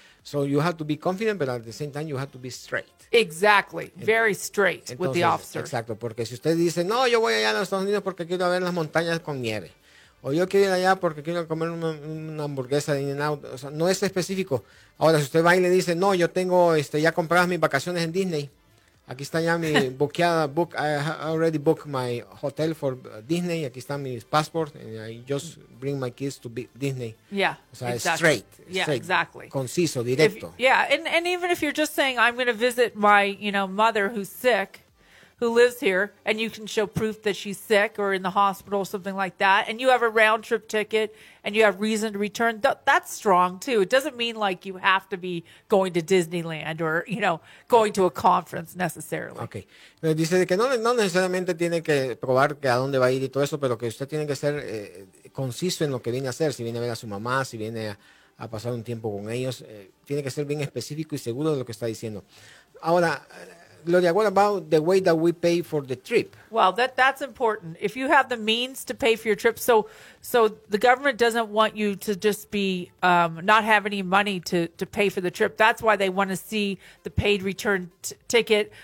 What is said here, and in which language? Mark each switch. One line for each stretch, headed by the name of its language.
English: So you have to be confident, but at the same time, you have to be straight. Exactly. Very straight.
Spanish: Entonces,
English: with the officer.
Spanish: Exacto. Porque si usted dice, no, yo voy allá a los Estados Unidos porque quiero ver las montañas con nieve. O yo quiero ir allá porque quiero comer una hamburguesa de In-N-Out. O sea, no es específico. Ahora, si usted va y le dice, no, yo tengo, ya compradas mis vacaciones en Disney. Aquí está ya mi buqueada.
English: I already booked my hotel for Disney.
Spanish: Aquí está mi
English: passport. And I just bring my kids to Disney. Yeah.
Spanish: O sea,
English: exactly. Straight. Yeah, straight, exactly.
Spanish: Conciso, directo.
English: And even if you're just saying, I'm going to visit my, you know, mother who's sick, who lives here, and you can show proof that she's sick or in the hospital or something like that, and you have a round trip ticket and you have reason to return, that's strong too. It doesn't mean like you have to be going to Disneyland or, you know, going to a conference necessarily. Okay.
Spanish: Pero dice que no necesariamente tiene que probar que a dónde va a ir y todo eso, pero que usted tiene que ser conciso en lo que viene a hacer, si viene a ver a su mamá, si viene a pasar un tiempo con ellos. Tiene que ser bien específico y seguro de lo que está diciendo. Ahora,
English: Gloria, what about the way that we pay for the trip? Well, that's important. If you have the means to pay for your trip, so the government doesn't want you to just be not have any money to pay for the trip. That's why they want to see the paid return ticket.